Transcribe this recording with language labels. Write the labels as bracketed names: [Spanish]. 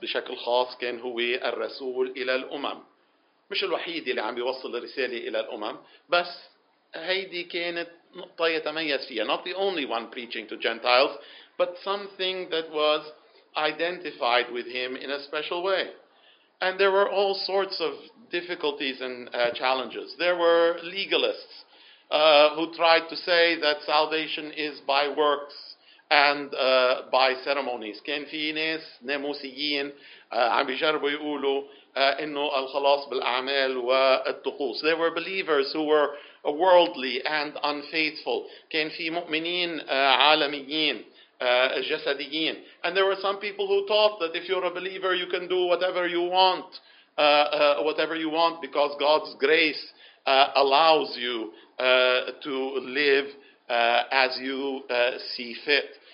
[Arabic] بشكل خاص كان هو الرسول إلى الأمم. مش الوحيد اللي عم بيوصل الرسالة إلى الأمم، بس هيدي كانت نقطة يتميز فيها. [English] Not the only one preaching to Gentiles, but something that was identified with him in a special way. And there were all sorts of difficulties and challenges. There were legalists who tried to say that salvation is by works and by ceremonies. [Arabic] كان في ناس ناموسيين عم بيجربوا يقولوا إنه الخلاص بالأعمال والطقوس. [English] There were believers who were worldly and unfaithful. [Arabic] كان في مؤمنين عالميين جسديين. [English] And there were some people who taught that if you're a believer, you can do whatever you want, because God's grace allows you to live as you see fit.